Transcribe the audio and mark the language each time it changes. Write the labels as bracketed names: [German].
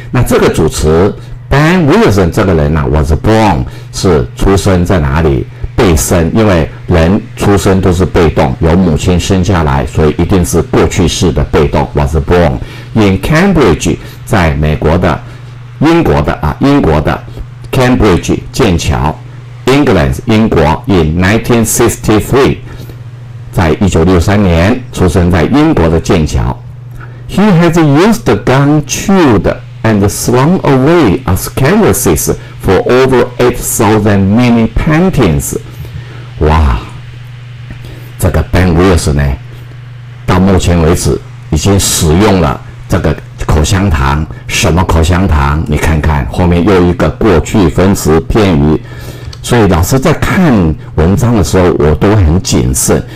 [Chinese] 那这个主词 Ben Wilson 这个人呢、 [English] was born [Chinese] 是出生在哪里，被生，因为人出生都是被动，由母亲生下来，所以一定是过去式的被动 [English] was born in Cambridge， [Chinese] 在美国的英国的英国的 Cambridge 剑桥 England 英国 [English] in 1963， [Chinese] 在1963年出生在英国的剑桥。 [English] He has used the gun chewed and thrown away as canvases for over 8,000 mini paintings. [Chinese] 哇，这个 Ben Wilson 呢，到目前为止已经使用了这个口香糖。什么口香糖？你看看后面又一个过去分词片语。所以老师在看文章的时候，我都很谨慎。